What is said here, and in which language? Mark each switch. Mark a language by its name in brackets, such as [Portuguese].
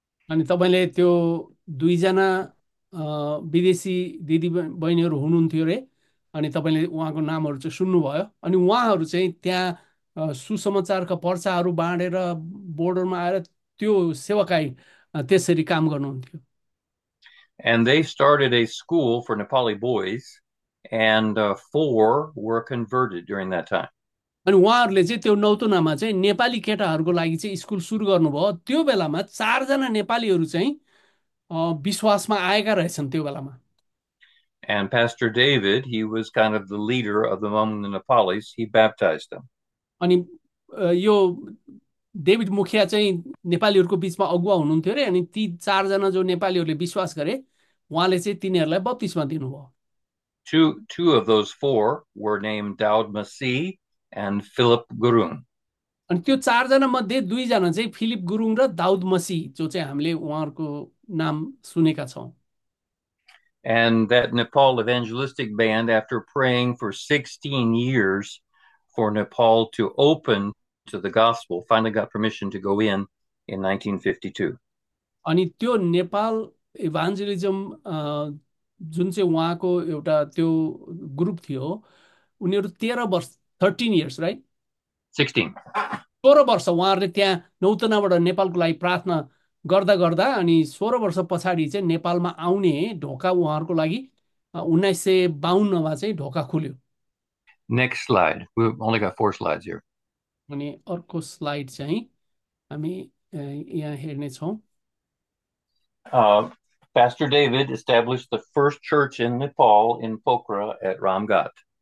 [Nepali] अनि तपाईँले त्यो दुईजना विदेशी दिदी बहिनीहरू हुनुहुन्थ्यो रे, अनि तपाईँले उहाँको नामहरू चाहिँ सुन्नुभयो, अनि उहाँहरू चाहिँ त्यहाँ सुसमाचारका पर्चाहरू बाँडेर बोर्डरमा आएर त्यो सेवकाई त्यसरी काम गर्नुहुन्थ्यो। [English] And they started a school for Nepali boys, and four were converted during that time. [Nepali] अनि उहाँहरूले चाहिँ त्यो नौतुनामा चाहिँ नेपाली केटाहरूको लागि चाहिँ स्कुल सुरु गर्नुभयो। त्यो बेलामा चारजना नेपालीहरू चाहिँ विश्वासमा आएका रहेछन् त्यो बेलामा। [English] And Pastor David, he was kind of the leader of the among the Nepalis, he baptized them. [Nepali] अनि यो डेभिड मुखिया चाहिँ नेपालीहरूको बिचमा अगुवा हुनुहुन्थ्यो रे, अनि ती चारजना जो नेपालीहरूले विश्वास गरे उहाँले चाहिँ तिनीहरूलाई बत्तीसमा दिनुभयो। [English] Two of those four were named Daud Masih and Philip Gurung. [Nepali] अनि त्यो चारजना मध्ये दुईजना चाहिँ फिलिप गुरुङ र दाउद मसी, जो चाहिँ हामीले उहाँहरूको नाम सुनेका छौँ। [English] And that Nepal evangelistic band, after praying for 16 years for Nepal to open to the gospel, finally got permission to go in 1952. [Nepali] अनि त्यो नेपाल इभान्जेलिजम जुन चाहिँ उहाँको एउटा त्यो ग्रुप थियो, उनीहरू 13 वर्ष, 13 [English] Years right, 16. [Nepali] 16 वर्ष उहाँहरूले त्यहाँ नौतनाबाट नेपालको लागि प्रार्थना गर्दा गर्दा, अनि 16 वर्ष पछाडि चाहिँ नेपालमा आउने ढोका उहाँहरूको लागि 1952 चाहिँ ढोका खुल्यो। [English] Next slide. We've only got four slides here. [Nepali] अनि अर्को स्लाइड चाहिँ हामी यहाँ हेर्नेछौँ। [English] Pastor David established the first church in Nepal in Pokhara at Ramghat.